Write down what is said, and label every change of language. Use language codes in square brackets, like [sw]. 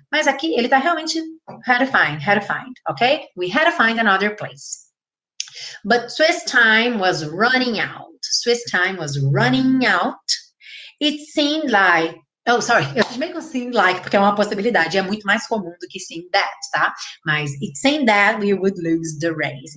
[pt] Mas aqui ele está realmente [en] had to find, [pt] ok? [en] We had to find another place. But Swiss time was running out. Swiss time was running out. It seemed like. Oh, sorry, [pt] eu chamei com [en] seem like, [pt] porque é uma possibilidade, é muito mais comum do que [en] seem that, [pt] tá? Mas [en] it seemed that we would lose the race.